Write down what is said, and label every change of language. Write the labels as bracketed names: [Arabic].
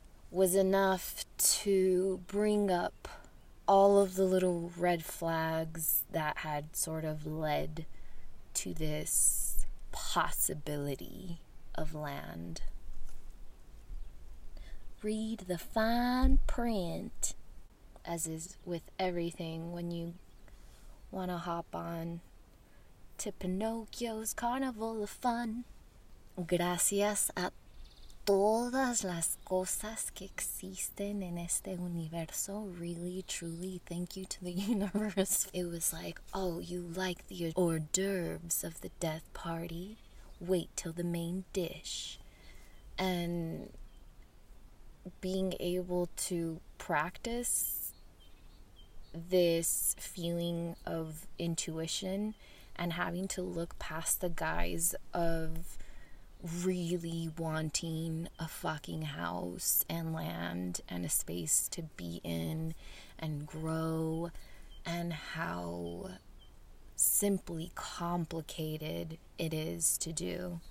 [English] Was enough to bring up all of the little red flags that had sort of led to this possibility of land. Read the fine print, as is with everything when you want to hop on to Pinocchio's Carnival of Fun. [Spanish] Gracias a todas las cosas que existen en este universo. [English] Really, truly, thank you to the universe. It was like, oh, you like the hors d'oeuvres of the death party? Wait till the main dish. And being able to practice this feeling of intuition and having to look past the guise of really wanting a fucking house and land and a space to be in and grow, and how simply complicated it is to do.